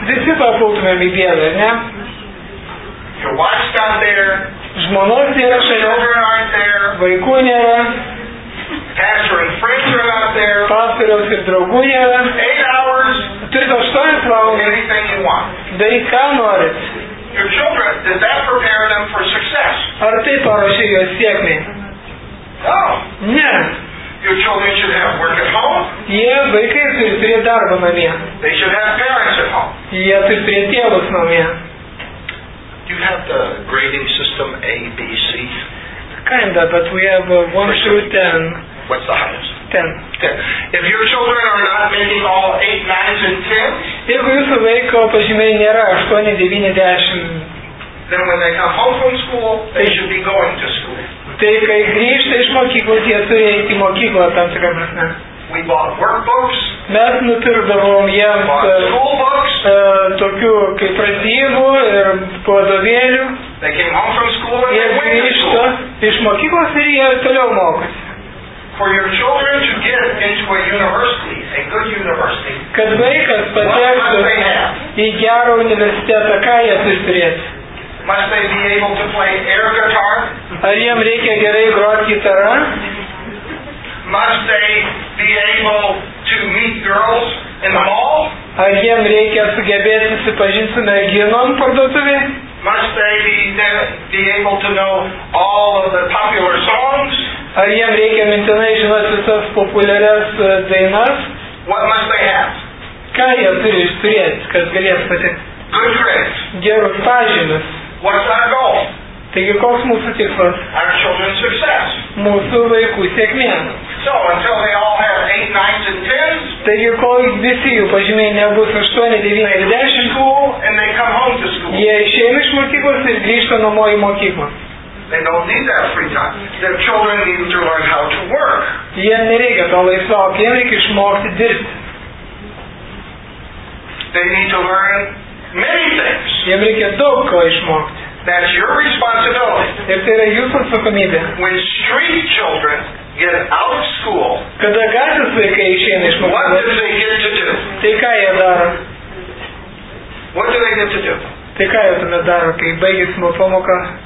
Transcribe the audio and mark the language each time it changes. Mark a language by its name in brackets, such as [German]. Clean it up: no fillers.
[Lithuanian] Visi papultumėm į bėdą, ne? [English] Your wife's not there. [Lithuanian] Žmonos nėra šalia. [English] Your children aren't there. [Lithuanian] Vaikų nėra. [English] Pastor and friends are out there. [Lithuanian] Pastoriaus ir draugų nėra. [English] 8 hours. [Lithuanian] Turite 8 valandų. [English] Anything you want. [Lithuanian] Daryk ką norit. [English] Your children, does that prepare them for success? [Lithuanian] Ar tai paruošia juos sėkmei? [English] No. [Lithuanian] Ne. [English] Your children should have work at home. [Lithuanian] Jie vaikai turi turėti darbą namie. [English] They should have parents at home. [Lithuanian] Jie turi turėti tėvus namie. [English] Do you have the grading system A, B, C? Kinda, but we have 1 through 10. What's the highest? 10. If your children are not making all 8, 9, and 10, [Lithuanian] jeigu jūsų vaiko pažymiai nėra 8, 9, 10, [English] then when they come home from school, they should be going to school. [Lithuanian] Tai kai grįžta iš mokyklos, jie turi eiti į mokyklą tam tikrą prasme. [English] We bought workbooks. [Lithuanian] Mes nupirdavom jiems [English] school books. [Lithuanian] Tokių kaip pradėjimų ir vadovėlių. [English] They came home from school and they went to school. [Lithuanian] Iš mokyklos ir jie toliau mokosi. [English] For your children to get into a university, a good university, [Lithuanian] kad vaikas patektų į gerą universitetą, ką jie turi turėti? [English] Must they be able to play air guitar? [Lithuanian] Ar jiem reikia gerai groti gitarą? [English] must they be able to meet girls in the mall? [Lithuanian] Ar jiem reikia sugebėti susipažinti su merginom parduotuvėje? [English] Must they be able to know all of the popular songs? [Lithuanian] Ar jiem reikia mintinai žinoti visas populiarias dainas? [English] What must they have? [Lithuanian] Ką jie turi išturėti, kad galės patikti? [English] Good friends. [Lithuanian] Gerus pažymus. [English] What's our goal? [Lithuanian] Taigi, koks mūsų tikslas? [English] Our children's success. [Lithuanian] Mūsų vaikų sėkmė. [English] So, until they all have 8, 9, and 10, [Lithuanian] taigi, kol visi jų pažymiai nebus 8, 9, 10, [English] and they come home to school. [Lithuanian] Jie išėjo iš mokyklos ir grįžta namo į mokyklą. [English] They don't need that free time. Their children need to learn how to work. [Lithuanian] Jie nereikia to laisvalkio, jie reikia išmokti dirbti. [English] They need to learn many things. [Lithuanian] Jiem reikia daug ko išmokti. [English] That's your responsibility. [Lithuanian] Ir tai yra jūsų atsakomybė. [English] When street children get out of school, [Lithuanian] kada gatvės vaikai išeina iš mokyklos, [English] what do they get to do? [Lithuanian] Tai ką jie daro? [English] What do they get to do? [Lithuanian] Tai ką jie tuomet daro, kai baigės pamoką?